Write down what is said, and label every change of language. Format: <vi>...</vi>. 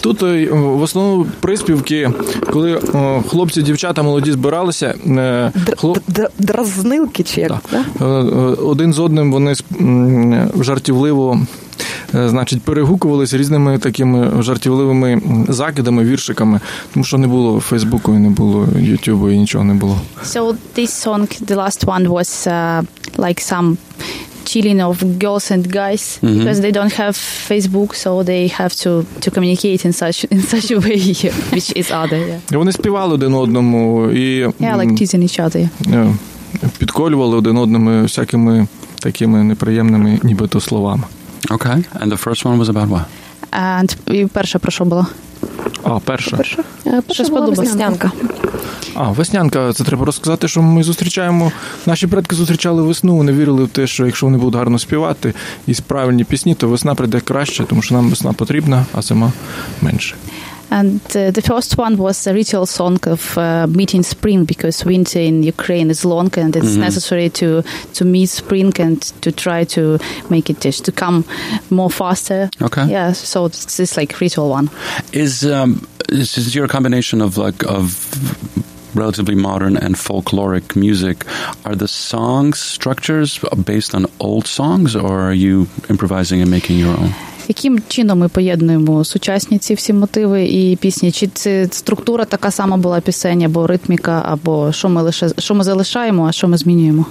<uk>Тут в основному приспівки, коли хлопці, дівчата, молоді збиралися. Дразнилки чи як? Да. Один з одним вони жартівливо, значить, перегукувалися різними такими жартівливими закидами, віршиками, тому що не було Фейсбуку і не було Ютубу, і нічого не було.</uk> <en>So this song, the last one, was like some chilling of girls and guys, mm-hmm. because they don't have Facebook, so they have to communicate in such a way, which is other. Yeah.</en> <uk>Вони співали один одному і</uk> <en>like teasing each other.</en> <uk>Підколювали один одному всякими такими неприємними нібито словами.</uk> <en>Okay. And the first one was about what? And</en> <uk>і перша про що була? А, перша. Перша сподобалася. Веснянка. А, веснянка. Це треба розказати, що ми зустрічаємо. Наші предки зустрічали весну. Вони вірили в те, що якщо вони будуть гарно співати і правильні пісні, то весна прийде краще, тому що нам весна потрібна, а зима менше.</uk> <en>And the first one was a ritual song of meeting spring, because winter in Ukraine is long and it's mm-hmm. necessary to meet spring and to try to make it to come more faster. Okay. Yeah, so it's like ritual one. Is your combination of like of relatively modern and folkloric music, are the songs structures based on old songs, or are you improvising and making your own?</en> <uk>Яким чином ми поєднуємо сучасні ці всі мотиви і пісні? Чи це структура така сама була пісень, або ритміка, або що ми залишаємо, а що ми змінюємо?</uk>